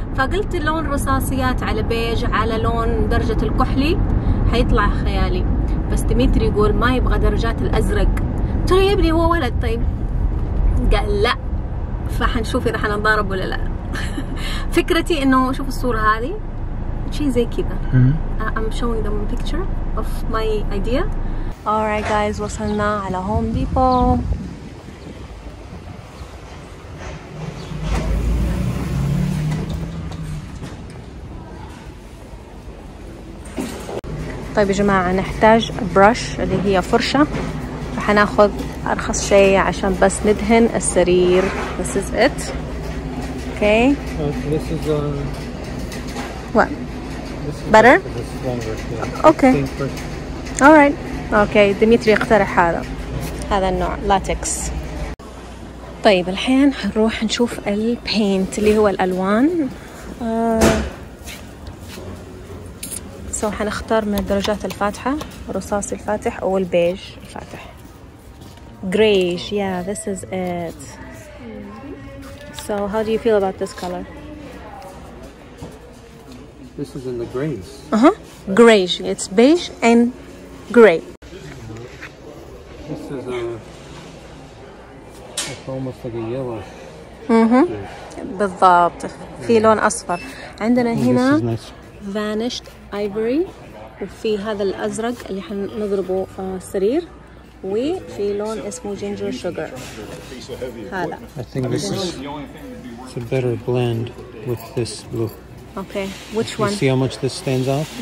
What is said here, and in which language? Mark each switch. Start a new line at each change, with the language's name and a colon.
Arabic: فقلت اللون رصاصيات على بيج على لون درجة الكحلي حيطلع خيالي. بس ديمتري يقول ما يبغى درجات الازرق. قلت له يا ابني هو ولد طيب؟ قال لا. فحنشوف اذا حنضارب ولا لا. فكرتي انه شوف الصورة هذه شيء زي كذا.
English: I'm showing them a picture of my idea. Alright guys,
Arabic: وصلنا على
English: Home Depot.
Arabic: طيب يا جماعة، نحتاج برش اللي هي فرشة، فحناخذ أرخص شيء عشان بس ندهن السرير.
English: This is it. Okay. This is what? Better? Okay. Alright. Okay.
Arabic: ديمتري اقترح هذا النوع لاتكس. طيب الحين حنروح نشوف البينت اللي هو الألوان. سو حنختار من الدرجات الفاتحة، الرصاصي الفاتح أو البيج الفاتح.
English: Grayish. Yeah, this is it. So how do you feel about this color? This is in the grays. Grayish. It's beige and gray. This is it's almost like a yellow.
Arabic: بالضبط. في لون أصفر. عندنا هنا vanished ivory، وفي هذا الأزرق اللي حنضربه في السرير، وفي لون اسمه ginger sugar. هذا
English: I think this is a better blend with this blue. Okay, which one? You see how much this stands out?